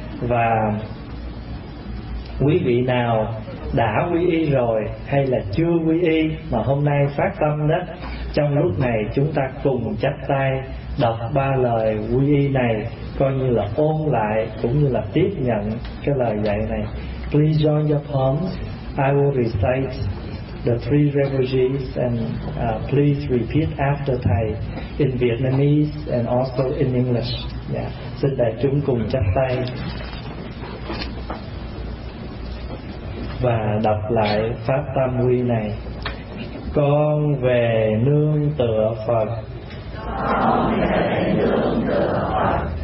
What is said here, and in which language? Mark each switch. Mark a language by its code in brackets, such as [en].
[vi] Và quý vị nào đã quy y rồi hay là chưa quy y mà hôm nay phát tâm đó, trong lúc này chúng ta cùng chắp tay đọc ba lời quy y này, coi như là ôn lại cũng như là tiếp nhận cái lời dạy này. [en] Please join your palms. I will recite the three refugees and please repeat after thầy in Vietnamese and also in English. Yeah. [vi] Xin đại chúng cùng chắp tay và đọc lại pháp tam quy này. Con về nương tựa Phật, con về nương tựa Phật.